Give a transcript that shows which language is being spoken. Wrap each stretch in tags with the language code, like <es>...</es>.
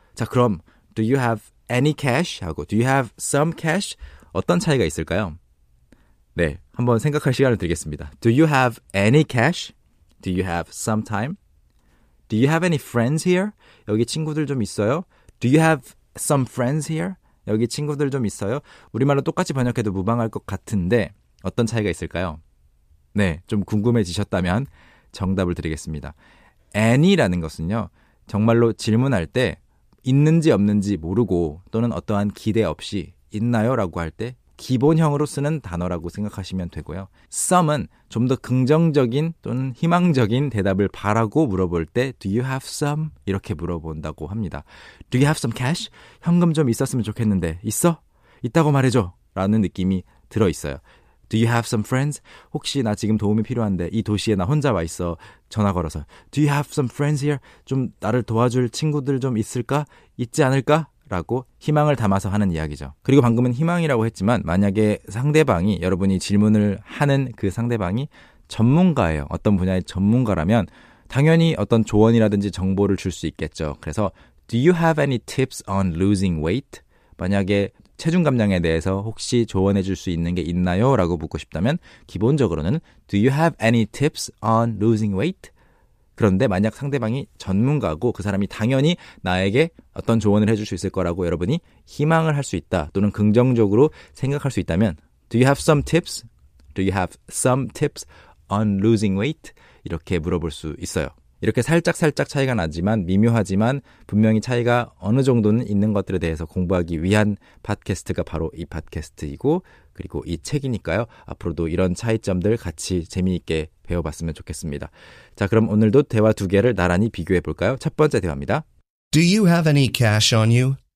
<ko>자, 그럼</ko> <en>Do you have any cash?</en> <ko>하고</ko> <en>Do you have some cash?</en> <ko>어떤 차이가 있을까요? 네, 한번 생각할 시간을 드리겠습니다.</ko> <en>Do you have any cash? Do you have some time? Do you have any friends here?</en> <ko>여기 친구들 좀 있어요?</ko> <en>Do you have some friends here?</en> <ko>여기 친구들 좀 있어요? 우리말로 똑같이 번역해도 무방할 것 같은데 어떤 차이가 있을까요? 네, 좀 궁금해지셨다면 정답을 드리겠습니다. any라는 것은요, 정말로 질문할 때 있는지 없는지 모르고 또는 어떠한 기대 없이 있나요? 라고 할 때 기본형으로 쓰는 단어라고 생각하시면 되고요. some은 좀 더 긍정적인 또는 희망적인 대답을 바라고 물어볼 때</ko> <en>do you have some?</en> <ko>이렇게 물어본다고 합니다.</ko> <en>do you have some cash?</en> <ko>현금 좀 있었으면 좋겠는데 있어? 있다고 말해줘! 라는 느낌이 들어있어요.</ko> <en>Do you have some friends?</en> <ko>혹시 나 지금 도움이 필요한데 이 도시에 나 혼자 와 있어 전화 걸어서</ko> <en>Do you have some friends here?</en> <ko>좀 나를 도와줄 친구들 좀 있을까? 있지 않을까? 라고 희망을 담아서 하는 이야기죠. 그리고 방금은 희망이라고 했지만 만약에 상대방이 여러분이 질문을 하는 그 상대방이 전문가예요. 어떤 분야의 전문가라면 당연히 어떤 조언이라든지 정보를 줄 수 있겠죠. 그래서</ko> <en>Do you have any tips on losing weight?</en> <ko>만약에 체중 감량에 대해서 혹시 조언해 줄 수 있는 게 있나요? 라고 묻고 싶다면 기본적으로는</ko> <en>Do you have any tips on losing weight?</en> <ko>그런데 만약 상대방이 전문가고 그 사람이 당연히 나에게 어떤 조언을 해줄 수 있을 거라고 여러분이 희망을 할 수 있다 또는 긍정적으로 생각할 수 있다면</ko> <en>Do you have some tips? Do you have some tips on losing weight?</en> <ko>이렇게 물어볼 수 있어요. 이렇게 살짝살짝 차이가 나지만 미묘하지만 분명히 차이가 어느 정도는 있는 것들에 대해서 공부하기 위한 팟캐스트가 바로 이 팟캐스트이고 그리고 이 책이니까요. 앞으로도 이런 차이점들 같이 재미있게 배워봤으면 좋겠습니다. 자, 그럼 오늘도 대화 두 개를 나란히 비교해 볼까요? 첫 번째 대화입니다.</ko> <en>Do you have any cash on you?</en>